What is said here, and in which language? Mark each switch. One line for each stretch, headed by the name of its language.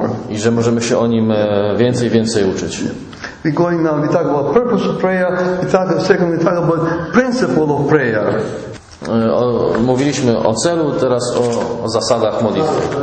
Polish: I że możemy się o Nim więcej i więcej uczyć.
English: We're going now, we talk about purpose of prayer, we talk about second, we talk about principle of prayer.
Polish: Mówiliśmy o celu, teraz o zasadach modlitwy.